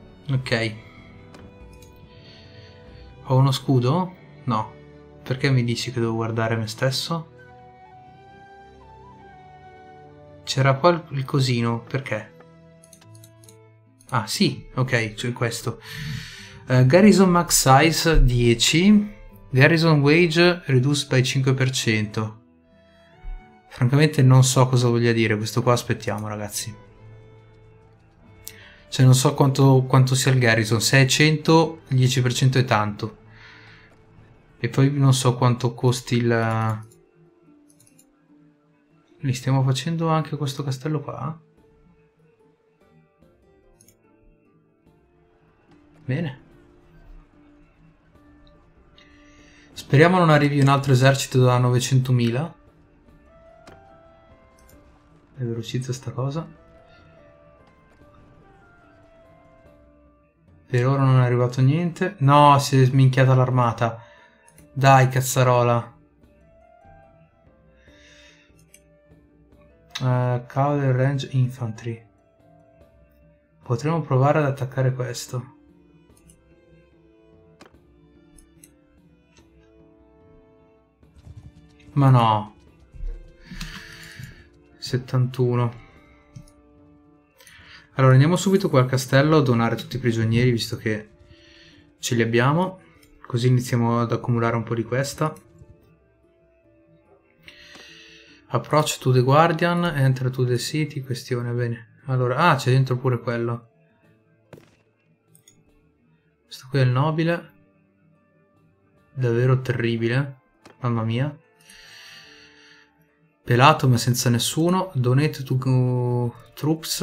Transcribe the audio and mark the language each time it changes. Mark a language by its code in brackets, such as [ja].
[it] Ok, ho uno scudo? No, perché mi dici che devo guardare me stesso? C'era qua il cosino, perché? Ah sì, ok, cioè questo. [en] Garrison max size 10, garrison wage reduced by 5%. [it] Francamente non so cosa voglia dire, questo qua aspettiamo ragazzi. Cioè non so quanto sia il garrison, se è 100 il 10% è tanto. E poi non so quanto costi il... Li stiamo facendo anche questo castello qua? Bene. Speriamo non arrivi un altro esercito da 900.000. È velocizza sta cosa. Per ora non è arrivato niente. No, si è sminchiata l'armata. Dai, cazzarola. [en] Cavalry Range Infantry. [it] Potremmo provare ad attaccare questo. Ma no, 71. Allora andiamo subito qua al castello a donare tutti i prigionieri visto che ce li abbiamo. Così iniziamo ad accumulare un po' di questa. [en] Approach to the guardian, enter to the city. [it] Questione, bene. Allora, ah, c'è dentro pure quello. Questo qui è il nobile. Davvero terribile. Mamma mia. Pelato ma senza nessuno. [en] Donate to troops.